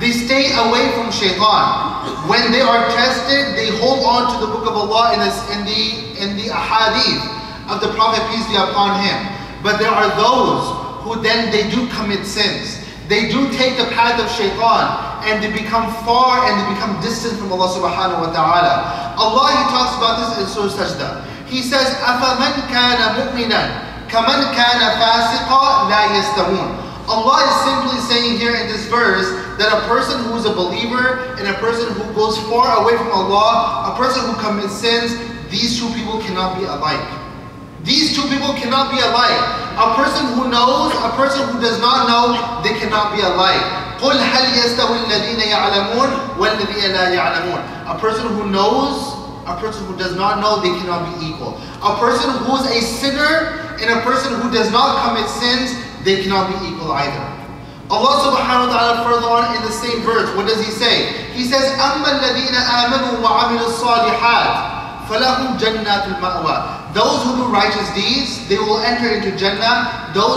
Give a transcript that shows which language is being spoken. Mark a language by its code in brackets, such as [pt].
[en] They stay away from shaitan. When they are tested, they hold on to the book of Allah in the ahadith of the Prophet, peace be upon him. But there are those who then they do commit sins. They do take the path of shaitan and they become far and they become distant from Allah subhanahu wa ta'ala. Allah, He talks about this in Surah Sajda. He says, [ar] أَفَمَنْ كَانَ مُؤْمِنًا كَمَنْ كَانَ فَاسِقًا لَا يَسْتَوُونَ. [en] Allah is simply saying here in this verse that a person who is a believer and a person who goes far away from Allah, a person who commits sins, these two people cannot be alike. These two people cannot be alike. A person who knows, a person who does not know, they cannot be alike. [ar] قُلْ هَلْ يَسْتَوِي الَّذِينَ يَعْلَمُونَ وَالَّذِينَ لَا يَعْلَمُونَ. [en] A person who knows, a person who does not know, they cannot be equal. A person who is a sinner and a person who does not commit sins, they cannot be equal either. Allah subhanahu wa ta'ala further on in the same verse, what does He say? He says, [ar] أَمَّا الَّذِينَ آمَنُوا وَعَمِلُوا الصَّالِحَاتِ فَلَهُمْ جَنَّاتُ الْمَأْوَى. [en] Those who do righteous deeds, they will enter into Jannah.